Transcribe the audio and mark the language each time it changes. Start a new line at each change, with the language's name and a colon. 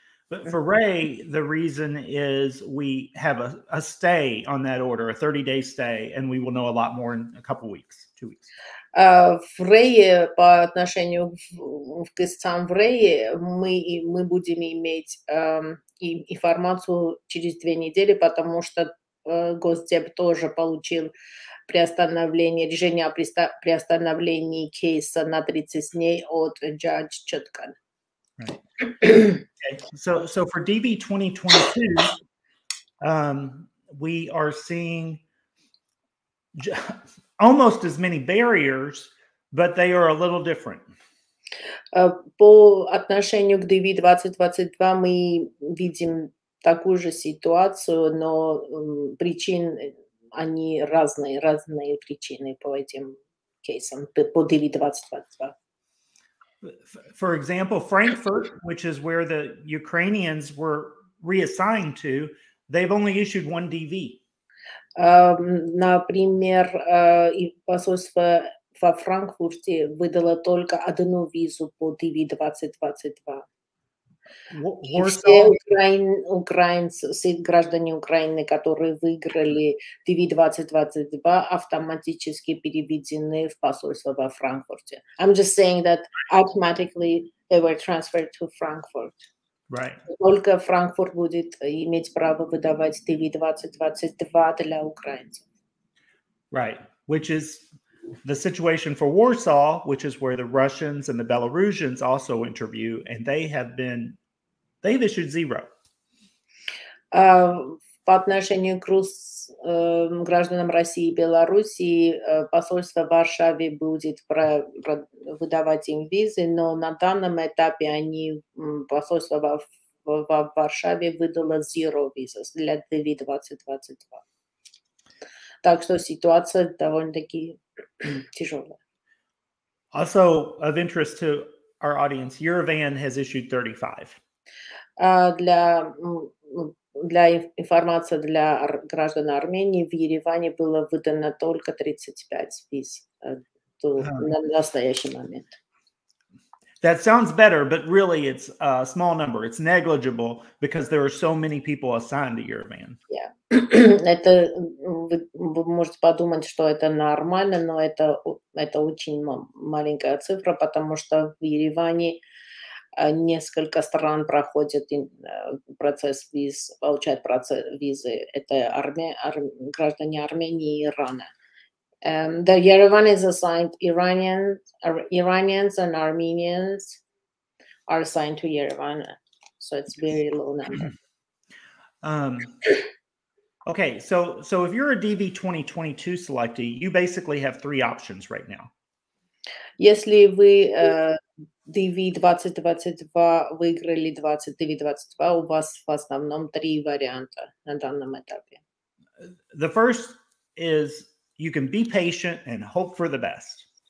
English: But for Ray, the reason is we have a stay on that order, a 30-day stay, and we will know a lot more in a couple weeks, 2 weeks.
Russian: В Рее, по отношению к истцам в Рее, мы будем иметь информацию через 2 недели, потому что Госдеп тоже получил приостановление, решение о приостановлении кейса на 30 дней от Judge Чуткан.
English: Right. Okay. So for DV 2022, we are seeing almost as many barriers, but they are a little different.
Russian: По отношению к DV 2022 мы видим такую же ситуацию, но причин они разные, разные причины по этим кейсам, по DV 2022.
English: For example, Frankfurt, which is where the Ukrainians were reassigned to, they've only issued one DV.
Russian: Например, посольство во Франкфурте выдало только одну визу по DV 2022. Все украинцы, все граждане Украины, которые выиграли DV-2022, автоматически переведены в посольство во Франкфурте.
English: I'm just saying that automatically they were transferred to Frankfurt. Right.
Russian: Только Франкфурт будет иметь право выдавать DV-2022 для украинцев.
English: Right, which is the situation for Warsaw, which is where the Russians and the Belarusians also interview, and they have been, they've issued zero.
Russian: По отношению к гражданам России и Белоруссии, посольство в Варшаве будет выдавать им визы, но на данном этапе они, посольство в Варшаве выдало
English: zero visas
Russian: для DV-2022. Так что ситуация довольно-таки тяжелая.
English: Also of interest to our audience, Eurovan has issued 35.
Russian: Для информации для граждан Армении, в Ереване было выдано только 35 виз на настоящий момент.
English: That sounds better, but really it's a small number. It's negligible because there are so many people assigned to Eurovan. Yeah.
Russian: Это, вы можете подумать, что это нормально, но это очень маленькая цифра, потому что в Ереване несколько стран проходят процесс виз, получают процесс визы. Это граждане Армении и Ирана.
English: The Yerevan is assigned Iranians and Armenians are assigned to Yerevan, so it's very low number. Okay, so if you're a DV 2022 selectee, you basically have three options right now.
Russian: Если вы DV 2022 выиграли DV 2022, у вас в основном три варианта на данном этапе.
English: The first is you can be patient and hope for the best.